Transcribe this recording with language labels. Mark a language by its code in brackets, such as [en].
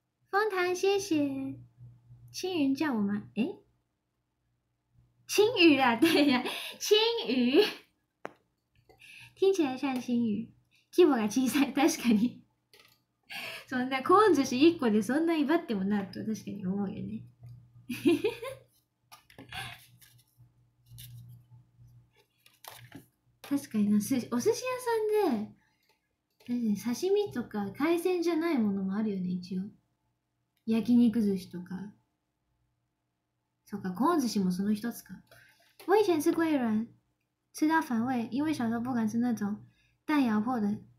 [zh] 枫糖谢谢，青云叫我吗？诶，青鱼啊，对呀，青鱼，听起来像青鱼。 [ja] 規模が小さい、確かに。そんな、コーン寿司1個でそんな威張ってもなと、確かに思うよね。確かにな、お寿司屋さんで、確かに刺身とか海鮮じゃないものもあるよね、一応。焼肉寿司とか。そうか、コーン寿司もその一つか。 [zh] 我以前吃桂圓、吃到反胃、因为小时候不敢吃那种蛋咬破的。